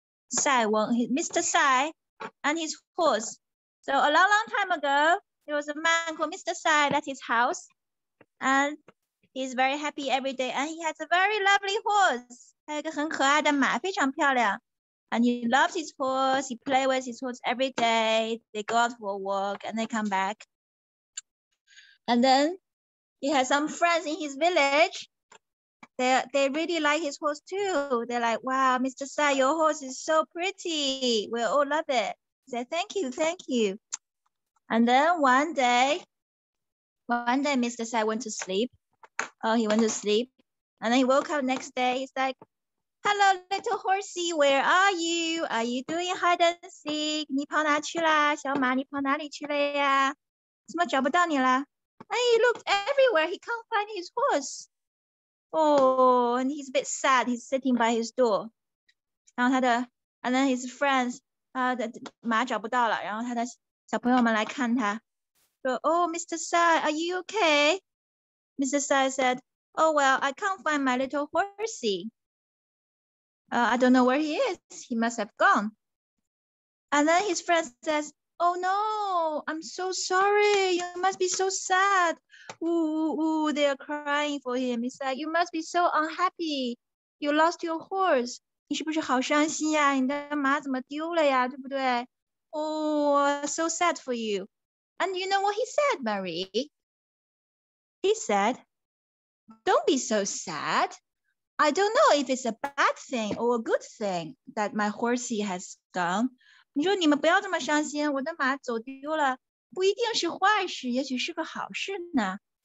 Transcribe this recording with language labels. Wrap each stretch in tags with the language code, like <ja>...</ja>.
<en>Mr. Sai and his horse. So a long, long time ago, there was a man called Mr. Sai at his house. And he's very happy every day. And he has a very lovely horse.</en> <zh>还有一个很可爱的马,非常漂亮。</zh> <en>And he loves his horse. He plays with his horse every day. They go out for a walk and they come back. And then he has some friends in his village. They really like his horse too. They're like, wow, Mr. Sai, your horse is so pretty. We all love it. He said, thank you, thank you. And then one day Mr. Sai went to sleep. Oh, he went to sleep. And then he woke up next day. He's like, hello, little horsey, where are you? Are you doing hide and seek?</en> <zh>你跑哪去啦?小马,你跑哪里去了呀? 怎么找不到你啦?</zh> <en>And he looked everywhere. He can't find his horse. Oh, and he's a bit sad. He's sitting by his door.</en> <zh>然后他的,</zh> <en>and then his friends,</en> <zh>他的马找不到了,然后他的小朋友们来看他,</zh> <en>so, oh, Mr. Sai, are you okay? Mr. Sai said, oh, well, I can't find my little horsey. I don't know where he is. He must have gone. And then his friend says, oh no, I'm so sorry. You must be so sad. Ooh, ooh, ooh, they are crying for him. He's like, you must be so unhappy. You lost your horse.</en> <zh>你是不是好伤心呀?你的马怎么丢了呀?对不对?</zh> <en>Oh, so sad for you. And you know what he said, Marie? He said, don't be so sad. I don't know if it's a bad thing or a good thing that my horsey has gone.</en> <zh>你说你们不要这么伤心,我的马走丢了,不一定是坏事,也许是个好事呢.</zh>